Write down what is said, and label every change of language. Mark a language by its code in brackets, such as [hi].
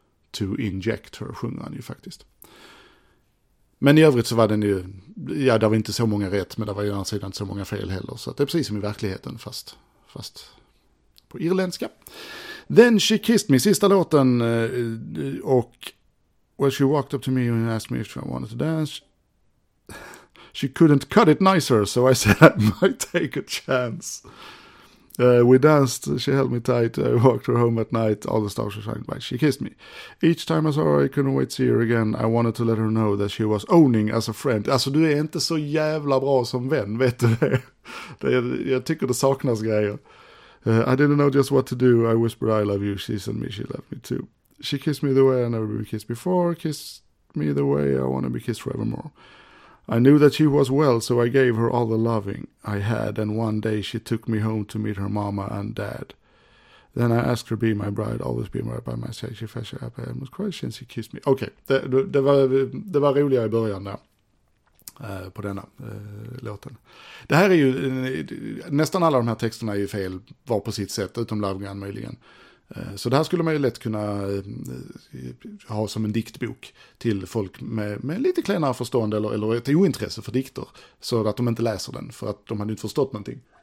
[en] To inject her, [sv] sjunger han ju faktiskt. Men i övrigt så var den ju, ja, det var inte så många rätt, men det var ju å andra sidan inte så många fel heller. Så det är precis som i verkligheten, fast på irländska. [en] Then she kissed me, [sv] sista låten, och [en] well, she walked up to me and asked me if I wanted to dance. She couldn't cut it nicer, so I said I might take a chance. We danced, she held me tight, I walked her home at night, all the stars were shining bright, she kissed me. Each time I saw her, I couldn't wait to see her again, I wanted to let her know that she was owning as a friend. [sv] Alltså, du är inte så jävla bra som vän, vet du det? Jag tycker det saknas grejer. [en] I didn't know just what to do, I whispered I love you, she said me, she loved me too. She kissed me the way I never been kissed before, kissed me the way I want to be kissed forevermore. I knew that she was well, so I gave her all the loving I had, and one day she took me home to meet her mama and dad. Then I asked her to be my bride, always be married by my side. She fetched her up and was crying, and she kissed me. [sv] Okej, det var roliga i början där. På denna låten. Det här är ju, nästan alla de här texterna är ju fel, var på sitt sätt, utom Love Gun möjligen. Så det här skulle man ju lätt kunna ha som en diktbok till folk med lite klenare förstående eller ett ointresse för dikter, så att de inte läser den, för att de hade inte förstått någonting.